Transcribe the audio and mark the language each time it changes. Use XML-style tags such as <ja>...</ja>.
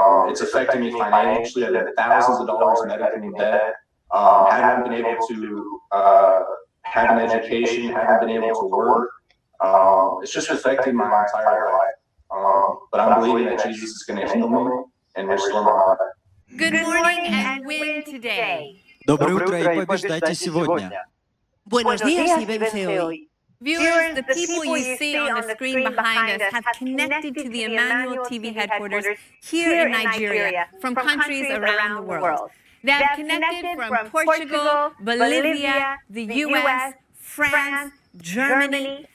<en>It's affecting me financially. I've had thousands of dollars in medical debt. Haven't been able to have an education. Haven't been able to work. It's just affecting my entire life. But I'm believing that Jesus is going to heal me and restore my life. Good morning and win today.</en> <ru>Доброе утро и побеждайте сегодня.</ru> <es>Buenos días y vence hoy.</es> <en>Viewers, the people you see on the screen behind us have connected to the Emmanuel TV headquarters here in Nigeria from countries around the world. They have connected from Portugal, Bolivia, the US, France, Germany.</en>